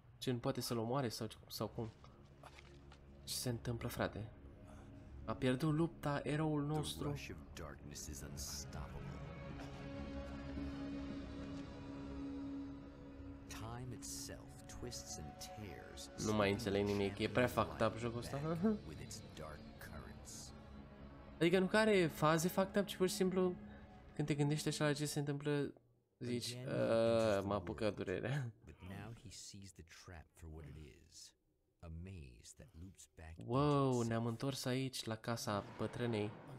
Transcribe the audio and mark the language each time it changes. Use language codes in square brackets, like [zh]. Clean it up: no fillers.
[ro] Ce nu poate să-l omoare sau cum? Ce se întâmplă, frate? A pierdut lupta eroul nostru. [en] The rush of darkness is unstoppable. Time itself twists and tears. [ro] Nu mai înțeleg nimic, e prea fucked up jocul ăsta. [en] With its dark currents. [ro] Adică nu care faze fucked up, ci pur și simplu când te gândești așa la ce se întâmplă, zici, mă apucă durerea. [en] But now he sees the trap for what it is. Amazed that loops back. [ro] Wow, ne-am întors aici la casa bătrânei.